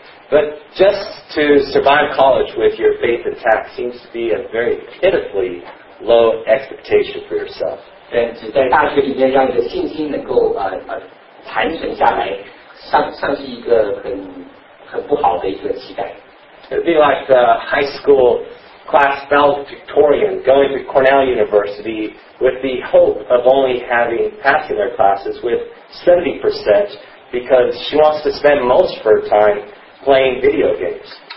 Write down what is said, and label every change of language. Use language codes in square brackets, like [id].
[en] But just to survive college with your faith intact seems to be a very pitifully low expectation for yourself. [zh] 但只在大学里面让你的信心能够盘旋下来，像是一个很不好的一个期待。 [en] It'd be like the high school class valedictorian going to Cornell University with the hope of only having passing their classes with 70% because she wants to spend most of her time playing video games.